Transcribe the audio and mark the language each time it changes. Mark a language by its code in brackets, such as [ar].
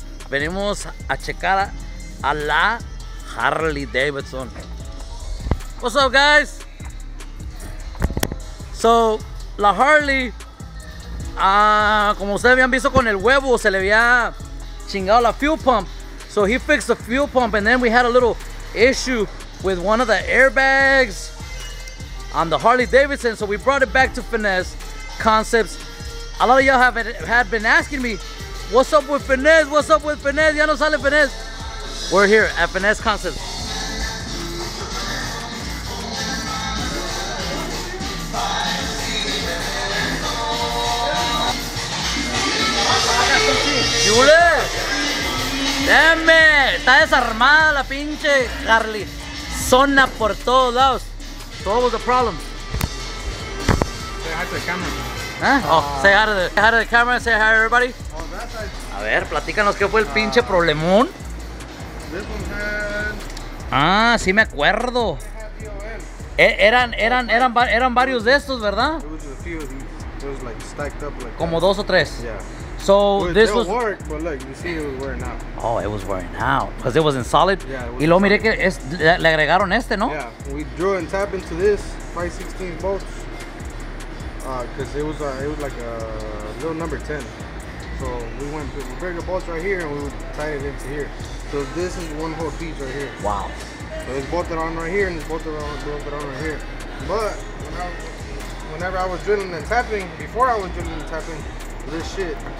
[es] Venimos a checar a la Harley Davidson. [en] What's up, guys? [es] So, la Harley, como ustedes habían visto con el huevo, se le había chingado la fuel pump. [en] So he fixed the fuel pump, and then we had a little issue with one of the airbags on the Harley Davidson, so we brought it back to Finesse Concepts. A lot of y'all have been asking me, what's up with Finesse? What's up with Finesse? [es] Ya no sale Finesse. [en] We're here at Finesse Concepts. [es] Yule! Dame! Está desarmada la pinche Harley. Zona por todos lados. [en] So what was the problem? Say hi to the camera. Huh? Say hi to the camera and say hi to everybody. [es] A ver, platícanos qué fue el pinche problemón. [en] This one had... [es] Ah, sí me acuerdo. Eran varios de estos, ¿verdad? [en] It was a few of these. It was like stacked up like [es] como [en] that. [es] Dos o tres. [en] Yeah. So well, this was... work, but look, you see it was wearing out. Oh, it was wearing out. Because it wasn't solid. Yeah, it [es] was. Y luego miré que es, le agregaron este, ¿no? [en] Yeah, we drew and tapped into this 516 bolts. Because it was like a little number 10. So we went to the bigger bolts right here and we would tie it into here. So this is one whole piece right here. Wow. So it's bolted on right here and it's bolted on right here. But whenever I was drilling and tapping, before I was drilling and tapping, this shit.